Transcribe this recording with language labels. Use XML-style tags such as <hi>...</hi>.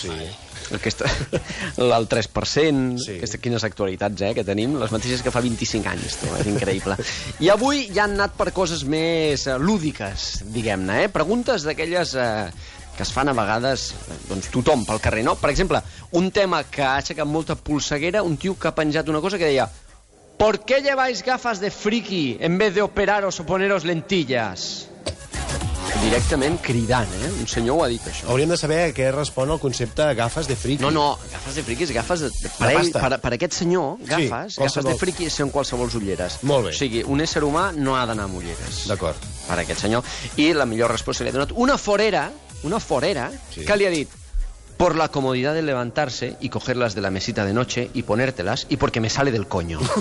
<ca>Sí. Aquesta, el 3%, sí. Aquestes, quines actualitats que tenim, les mateixes que fa 25 anys, tu, és increïble. I avui ja han anat per coses més lúdiques, diguem-ne, preguntes d'aquelles que es fan a vegades doncs, tothom pel carrer, no? Per exemple, un tema que ha aixecat molta polseguera, un tio que ha penjat una cosa que deia</ca> <es>¿Por qué lleváis gafas de friki en vez de operaros o poneros lentillas?</es> <ca>Directament cridant, eh? Un senyor ho ha dit, això. Hauríem de saber a què respon el concepte gafes de friki. No, no, gafes de friki és gafes de parell, per aquest senyor, gafes, sí, gafes de friki són qualsevol ulleres. Molt bé. O sigui, un ésser humà no ha d'anar amb ulleres. D'acord. Per aquest senyor. I la millor resposta li ha donat una forera, sí. Que li ha dit</ca> <es>por la comodidad de levantarse y cogerlas de la mesita de noche y ponértelas y porque me sale del coño.</es>